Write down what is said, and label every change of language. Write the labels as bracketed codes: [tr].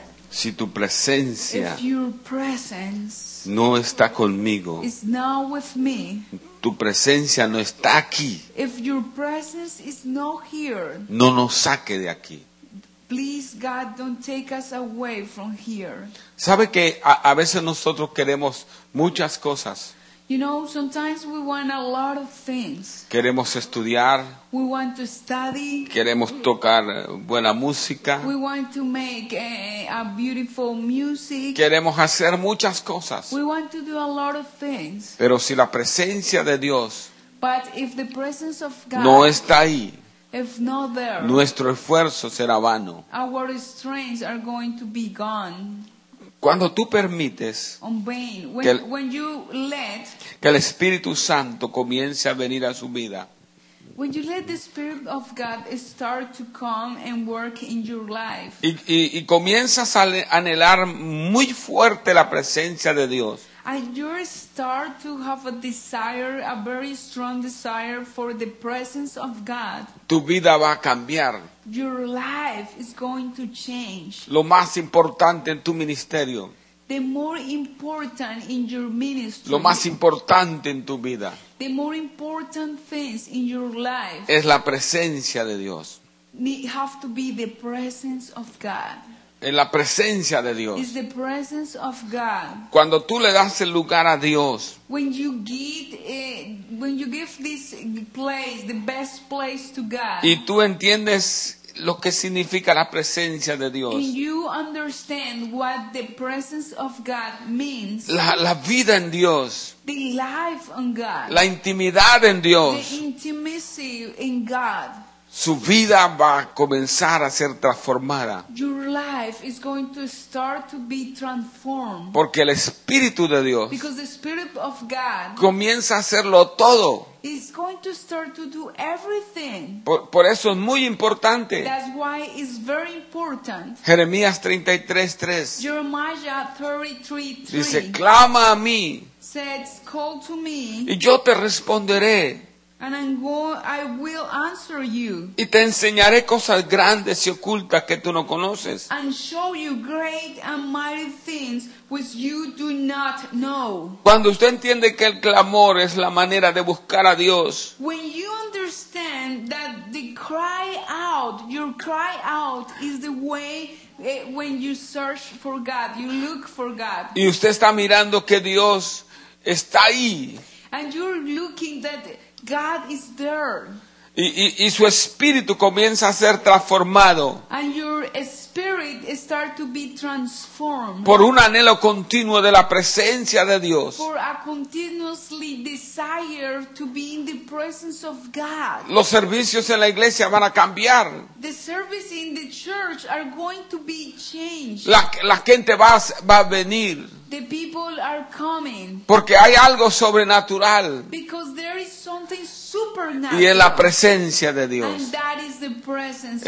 [es] Si tu presencia. [en] If your presence. [es] No está conmigo. [en] Is not with me. [es] Tu presencia no está aquí. [en] If your presence is not here. [es] No nos saque de aquí. [en] Please God don't take us away from here. [es] ¿Sabe que a veces nosotros queremos muchas cosas? [en] You know, sometimes we want a lot of things. [es] Queremos estudiar. [en] We want to study. [es] Queremos tocar buena música. [en] We want to make a beautiful music. [es] Queremos hacer muchas cosas. [en] We want to do a lot of things. [es] Pero si la presencia de Dios. [en] But if the presence of God. [es] No está ahí. [en] If not there. [es] Nuestro esfuerzo será vano. [en] Our strengths are going to be gone. [es] Cuando tú permites que el Espíritu Santo comience a venir a su vida, [en] when you let the Spirit of God start to come and work in your life, [es] y comienzas a anhelar muy fuerte la presencia de Dios, [en] and you start to have a desire, a very strong desire for the presence of God, [es] tu vida va a cambiar. [en] Your life is going to change. [es] Lo más importante en tu ministerio. [en] The more important in your ministry. [es] Lo más importante en tu vida. [en] The more important things in your life. [es] Es la presencia de Dios. [en] It has to be the presence of God. [es] En la presencia de Dios. [en] Is the presence of God. [es] Cuando tú le das el lugar a Dios. [en] When you give this place, the best place to God. [es] Y tú entiendes lo que significa la presencia de Dios. [en] And you understand what the presence of God means. [es] La vida en Dios. [en] The life on God. [es] La intimidad en Dios. [en] The intimacy in God. [es] Su vida va a comenzar a ser transformada. [en] Your life is going to start to be transformed. [es] Porque el Espíritu de Dios. [en] Because the Spirit of God. [es] Comienza a hacerlo todo. [en] Is going to start to do everything. [es] Por eso es muy importante. [en] That's why it's very important. [es] Jeremías 33:3. [en] Jeremiah 33:3. [es] Dice, clama a mí. [en] Says, call to me. [es] Y yo te responderé. [en] And I will answer you. [es] Y te enseñaré cosas grandes y ocultas que tú no conoces. [en] And show you great and mighty things which you do not know. [es] Cuando usted entiende que el clamor es la manera de buscar a Dios. [en] When you understand that the cry out, your cry out is the way when you search for God, you look for God. [es] Y usted está mirando que Dios está ahí. [en] And you're looking that God is there. [es] Y su espíritu comienza a ser transformado. [en] And your spirit start to be transformed. [es] Por un anhelo continuo de la presencia de Dios. [en] For a continuously desire to be in the presence of God. [es] Los servicios en la iglesia van a cambiar. [en] The service in the church are going to be changed. [es] La gente va a venir. [en] The people are coming. [es] Porque hay algo sobrenatural. [en] Because there is something supernatural. [es] Y en la presencia de Dios. [en] And that is the presence.